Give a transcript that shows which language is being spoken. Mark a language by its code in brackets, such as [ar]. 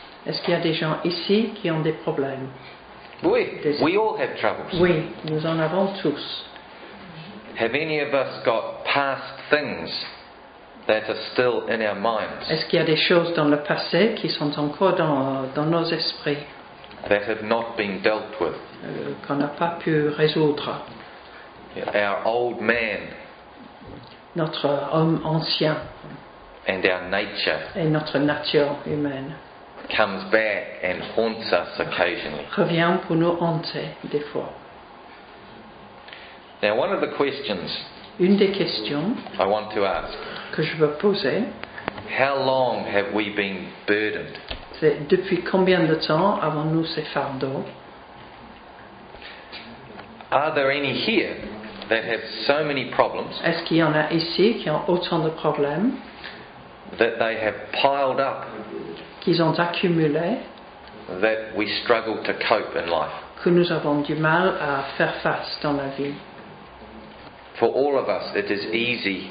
[fr] Est-ce qu'il y a des gens ici qui ont des problèmes? [en] Oui, we all have troubles. [fr] Oui, nous en avons tous. [en] Have any of us got past things that are still in our minds? [fr] Est-ce qu'il y a des choses dans le passé qui sont encore dans nos esprits? [en] That have not been dealt with. [fr] Qu'on n'a pas pu résoudre. [en] Our old man. [fr] Notre homme ancien. [en] And our nature. [fr] Et notre nature humaine. [en] Comes back and haunts us occasionally. [fr] Revient pour nous hanter des fois. [en] Now one of the questions. [fr] Une des questions. [en] I want to ask. [fr] Que je veux poser. [en] How long have we been burdened? [fr] C'est depuis combien de temps avons-nous ces fardeaux? [en] Are there any here that have so many problems? [fr] Est-ce qu'il y en a ici qui ont autant de problèmes? [en] That they have piled up. [fr] Qu'ils ont accumulé. [en] That we struggle to cope in life. [fr] Que nous avons du mal à faire face dans la vie. [en] For all of us, it is easy.